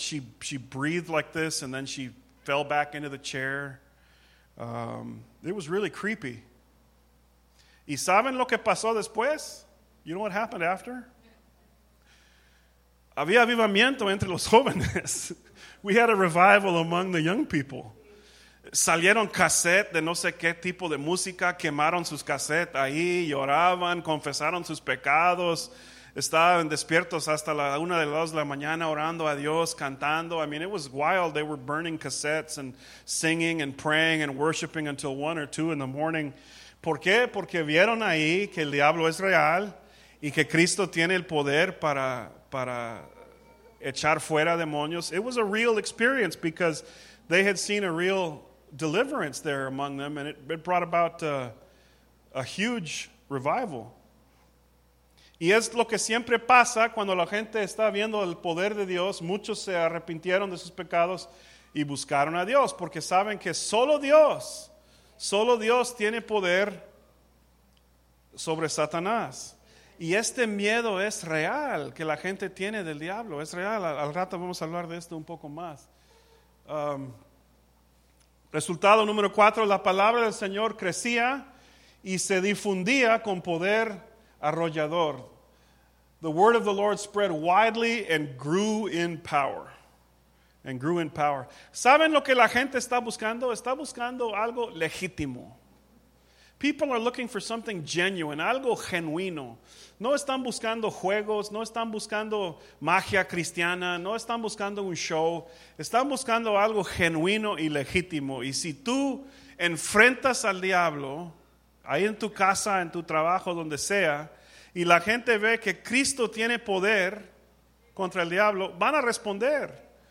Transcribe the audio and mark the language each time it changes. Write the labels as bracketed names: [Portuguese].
[English] She breathed like this, and then she fell back into the chair. It was really creepy. [Spanish] ¿Y saben lo que pasó después? [English] You know what happened after? [Spanish] Había avivamiento entre los jóvenes. [English] We had a revival among the young people. [Spanish] Salieron cassette de no sé qué tipo de música, quemaron sus cassettes ahí, lloraban, confesaron sus pecados, estaban despiertos hasta la una de las dos de la mañana orando a Dios, cantando. [English] I mean, it was wild. They were burning cassettes and singing and praying and worshiping until 1 or 2 in the morning. [Spanish] ¿Por qué? Porque vieron ahí que el diablo es real y que Cristo tiene el poder para echar fuera demonios. [English] It was a real experience because they had seen a real deliverance there among them, and it brought about a huge revival. [Spanish] Y es lo que siempre pasa cuando la gente está viendo el poder de Dios. Muchos se arrepintieron de sus pecados y buscaron a Dios, porque saben que solo Dios tiene poder sobre Satanás. Y este miedo es real que la gente tiene del diablo, es real. Al rato vamos a hablar de esto un poco más. Resultado número 4, la palabra del Señor crecía y se difundía con poder arrollador. [English] The word of the Lord spread widely and grew in power. And grew in power. [Spanish] ¿Saben lo que la gente está buscando? Está buscando algo legítimo. [English] People are looking for something genuine, [Spanish] algo genuino. No están buscando juegos, no están buscando magia cristiana, no están buscando un show. Están buscando algo genuino y legítimo. Y si tú enfrentas al diablo, ahí en tu casa, en tu trabajo, donde sea, y la gente ve que Cristo tiene poder contra el diablo, van a responder.